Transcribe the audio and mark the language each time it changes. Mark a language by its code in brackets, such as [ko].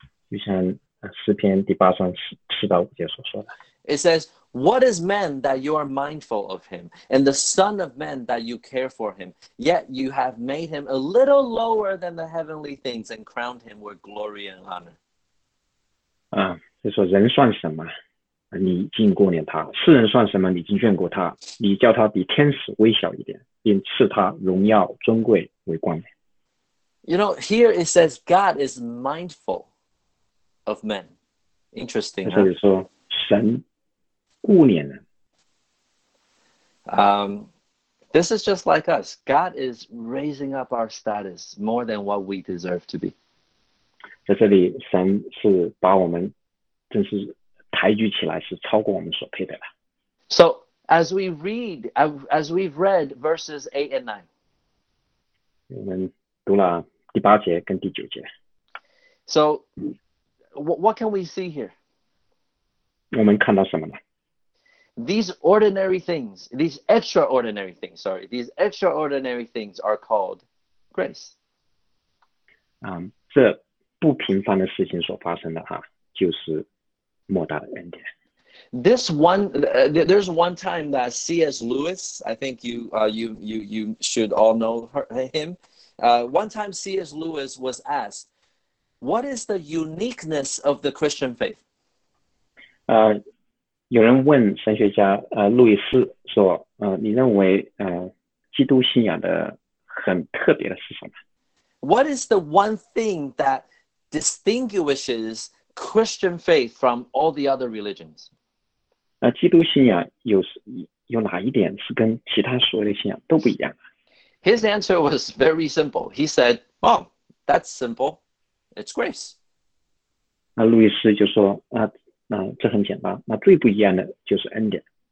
[zh] 就像诗篇第八章四到五节所说的。 [en] It says, What is man that you are mindful of him, and the son of man that you care for him? Yet you have made him a little lower than the heavenly things and crowned him with glory and honor. [zh] 就说人算什么，你竟顾念他；世人算什么，你竟眷顾他。你叫他比天使微小一点，并赐他荣耀尊贵为冠冕。 [en] You know, here it says God is mindful of men. Interesting. [zh] 这里说神顾念人。 [en] This is just like us. God is raising up our status more than what we deserve to be. [zh] 在这里，神是把我们真是抬举起来，是超过我们所配的了。 [en] So as we read, as we've read verses 8 and 9, [zh] 我们读了第八节跟第九节。 [en] So, what can we see here? [zh] 我们看到什么呢？ [en] These extraordinary things are called grace. [zh] 这不平凡的事情所发生的就是莫大的恩典。 [en] This one, there's one time that C.S. Lewis, I think you should all know him. One time C.S. Lewis was asked, "What is the uniqueness of the Christian faith?" [zh] 有人问神学家路易斯说，你认为基督信仰的很特别的是什么 [en] ？What is the one thing that distinguishes Christian faith from all the other religions? [zh] 基督信仰有哪一点是跟其他所有的信仰都不一样的？ [en] His answer was very simple. He said, "Oh, that's simple. It's grace." [zh] 路易斯就说，这很简单，那最不一样的就是恩典。